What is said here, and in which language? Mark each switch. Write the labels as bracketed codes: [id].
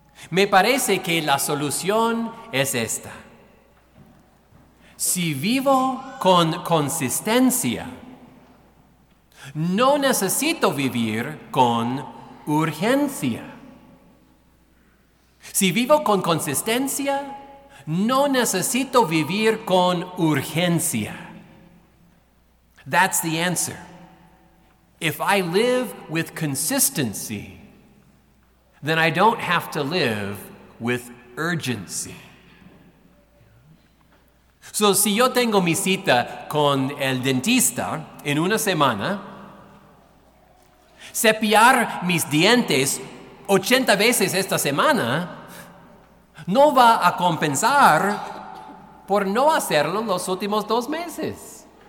[es] Me parece que la solución es esta. Si vivo con consistencia, no necesito vivir con urgencia. Si vivo con consistencia, no necesito vivir con urgencia. [en] That's the answer. If I live with consistency, then I don't have to live with urgency. [es] So, si yo tengo mi cita con el dentista en una semana, cepillar mis dientes 80 veces esta semana no va a compensar por no hacerlo los últimos dos meses.